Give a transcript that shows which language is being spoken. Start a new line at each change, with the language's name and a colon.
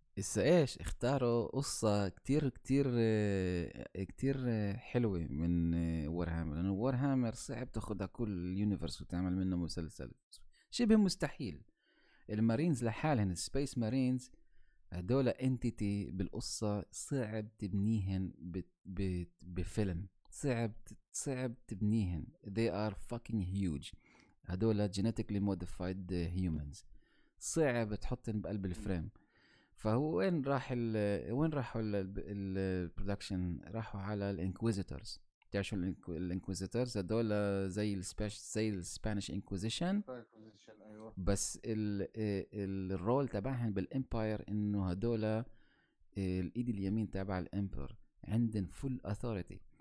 Arabic: اسا ايش اختاروا قصة كتير كتير كتير حلوة من وور هامر، لانه وور هامر صعب تاخدها كل اليونيفرس وتعمل منه مسلسل، شبه مستحيل. المارينز لحالهم، السبيس مارينز هدول انتيتي بالقصة، صعب تبنيهن بفيلم، صعب تبنيهن.
English: they are fucking huge،
Arabic: هدول
English: genetically modified humans،
Arabic: صعب تحطهم بقلب الفريم. فهو وين راح ال وين راحوا البرودكشن؟ راحوا على الانكويزيتورز. بتعرف شو الانكويزيتورز؟ هدول زي السبيش زي السبانيش انكويزيشن، position، ايوه بس الرول تبعهم بالامباير انه هدول الايد اليمين تبع الامبر، عندهم فول اثوريتي.